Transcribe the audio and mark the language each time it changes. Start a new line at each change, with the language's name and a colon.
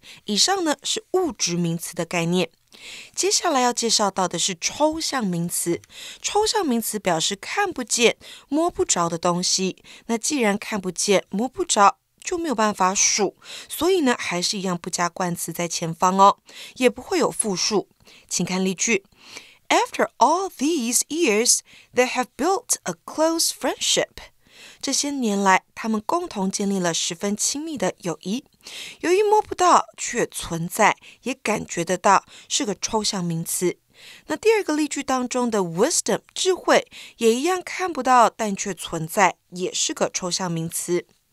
Chinese: 以上呢是物质名词的概念。接下来要介绍到的是抽象名词。抽象名词表示看不见、摸不着的东西。那既然看不见、摸不着，就没有办法数，所以呢，还是一样不加冠词在前方哦，也不会有复数。请看例句。
English: After all these years, they have built a close friendship.
Chinese: 这些年来，他们共同建立了十分亲密的友谊。由于摸不到却存在也感觉得到，是个抽象名词。那第二个例句当中的 wisdom 智慧也一样看不到但却存在，也是个抽象名词。